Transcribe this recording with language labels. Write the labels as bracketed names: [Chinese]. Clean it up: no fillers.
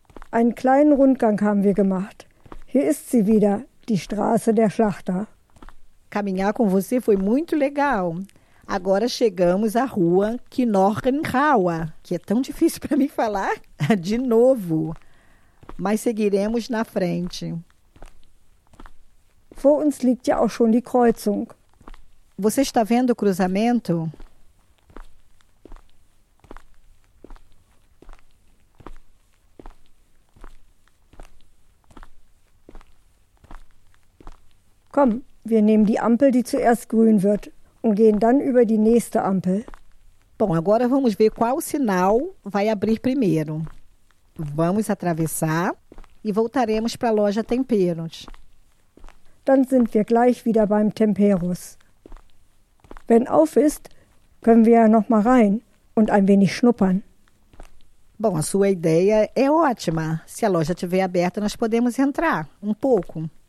[German] Einen kleinen Rundgang haben wir gemacht. Hier ist sie wieder, die Straße der Schlachter. [Portuguese] Caminhar com você foi muito legal. Agora chegamos à rua Knochenhauer, que é tão difícil para mim falar de novo. Mas seguiremos na frente. [German] Vor uns liegt ja auch schon die Kreuzung. [Portuguese] Você está vendo o cruzamento? [German] Komm, wir nehmen die Ampel, die zuerst grün wird, und gehen dann über die nächste Ampel. [Portuguese] Bom, agora vamos ver qual sinal vai abrir primeiro. Vamos atravessar e voltaremos para a loja Temperos. [German] Dann sind wir gleich wieder beim Temperos. Wenn auf ist, können wir ja noch mal rein und ein wenig schnuppern. [Portuguese] Bom, a sua ideia é ótima. Se a loja estiver aberta, nós podemos entrar um pouco.